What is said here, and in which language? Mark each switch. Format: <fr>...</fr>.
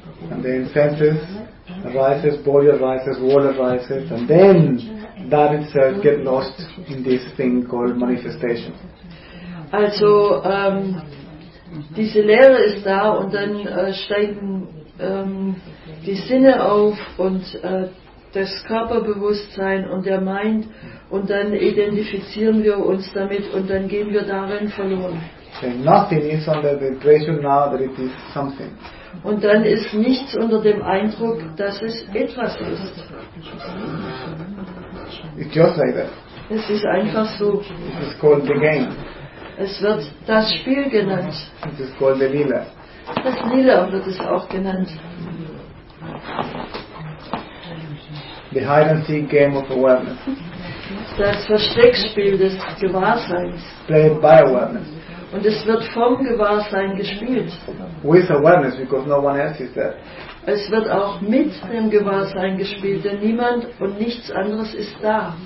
<en>And then senses arises, body arises, world arises, and then that itself gets lost in this thing called manifestation.</en> <de>Also, diese Leere ist da und dann steigen die Sinne auf und das Körperbewusstsein und der Mind und dann identifizieren wir uns damit und dann gehen wir darin verloren.</de> <en>Okay, nothing is under the impression now that it is something.</en> <de>Und dann ist nichts unter dem Eindruck, dass es etwas ist.</de> <en>It's just like that.</en> <de>Es ist einfach so.</de> <en>It's called the game.</en> <de>Es wird das Spiel genannt.</de> <en>It is called the Lila.</en> <de>Das Lila wird es auch genannt.</de> <en>The hide and seek game of awareness.</en> <de>Das Versteckspiel des Gewahrseins.</de> <en>Played by awareness.</en> <de>Und es wird vom Gewahrsein gespielt.</de> <en>With awareness, because no one else is there.</en> <de>Es wird auch mit dem Gewahrsein gespielt, denn niemand und nichts anderes ist da.</de>